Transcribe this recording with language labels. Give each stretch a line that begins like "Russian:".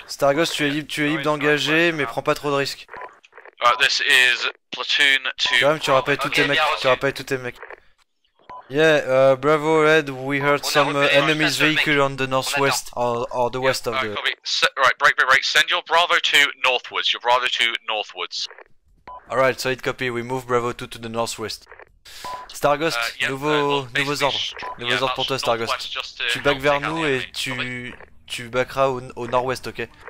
French: Star Ghost, tu es libre d'engager, mais prends pas trop de risques.
English: This is platoon 2.
French: Quand même, tu rappelles tous tes mecs, tu rappelles tous tes mecs.
English: Yeah, Bravo Red, we heard some enemy's vehicle on the northwest, or the west of the... Right, break, break, break, send your Bravo 2 northwards, your Bravo 2 northwards. Alright, solid copy, we move Bravo 2 to the northwest.
French: Star Ghost, nouveaux ordres, nouveaux ordres pour toi Star Ghost. Tu back vers nous et tu backeras au nord-ouest, ok?